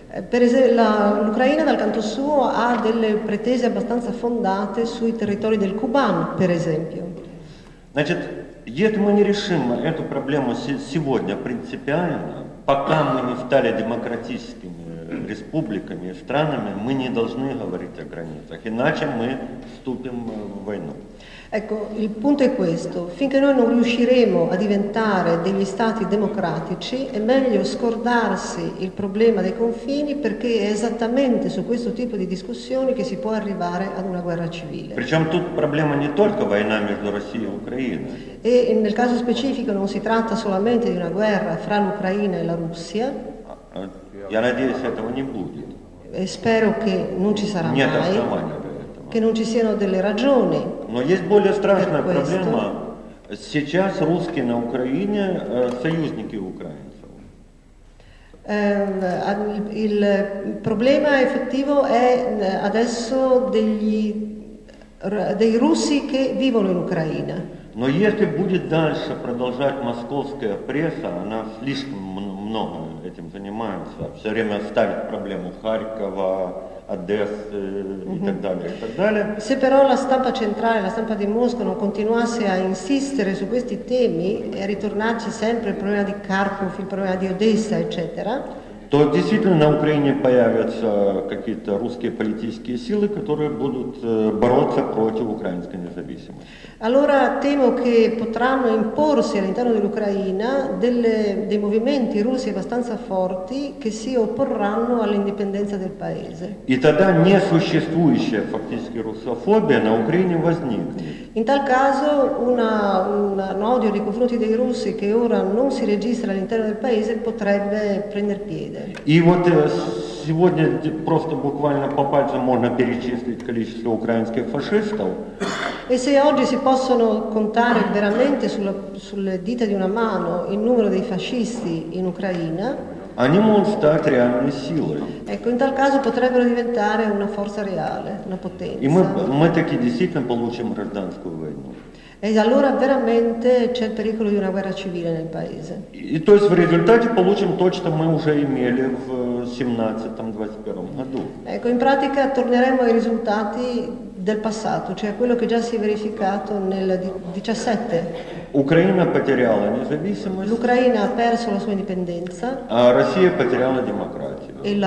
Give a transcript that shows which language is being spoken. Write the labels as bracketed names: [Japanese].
[Italian] Per esempio, l'Ucraina dal canto suo ha delle pretese abbastanza fondate sui territori del Kuban, per esempio. [Russian] Значит, если мы не решим эту проблему сегодня принципиально, пока мы не стали демократическими республиками и странами, мы не должны говорить о границах, иначе мы вступим в войну. [Italian] Ecco, il punto è questo. Finché noi non riusciremo a diventare degli stati democratici, è meglio scordarsi il problema dei confini, perché è esattamente su questo tipo di discussioni che si può arrivare ad una guerra civile. [Russian] Причем тут проблема не только война между Россией и Украиной. [Italian] E nel caso specifico non si tratta solamente di una guerra fra l'Ucraina e la Russia. [Russian] Я надеюсь, этого не будет. [Italian] E spero che non ci sarà [Russian] Нет, [Italian] mai. Che non ci siano delle ragioni. [Russian] Но есть более страшная проблема. Сейчас русские на Украине союзники украинцев. [Italian] Il problema effettivo è adesso dei russi che vivono in Ucraina. [Russian] Но если будет дальше продолжать московская пресса, она слишком много этим занимается, все время ставит проблему Харькова, Одессы и так далее, и так далее. [Italian] Se però la stampa centrale, la stampa di Mosca non continuasse a insistere su questi temi e a ritornarci sempre il problema di Kharkov, il problema di Odessa, eccetera, [Russian] то действительно на Украине появятся какие-то русские политические силы, которые будут бороться против украинской независимости. [Italian] Allora temo che potranno imporsi all'interno dell'Ucraina dei movimenti russi abbastanza forti che si opporranno all'indipendenza del paese. [Russian] И тогда несуществующая фактически русофобия на Украине возникнет. [Italian] In tal caso un odio nei confronti dei russi che ora non si registra all'interno del paese potrebbe prendere piede. [Russian] И вот сегодня просто буквально по пальцам можно перечислить количество украинских фашистов. [Italian] E se oggi si possono contare veramente sulle dita di una mano il numero dei fascisti in Ucraina, [Russian] они могут стать реальной силой. [Italian] Ecco, in tal caso potrebbero diventare una forza reale, una potenza. [Russian] И мы таки действительно получим гражданскую войну. [Italian] E allora veramente c'è il pericolo di una guerra civile nel paese. [Russian] И то есть в результате получим то, что мы уже имели в 17-21 году. [Italian] Ecco, in pratica torneremo ai risultati del passato, cioè quello che già si è verificato nel 17. [Russian] Украина потеряла независимость. [Italian] L'Ucraina ha perso la sua indipendenza. [Russian] А Россия потеряла демократию.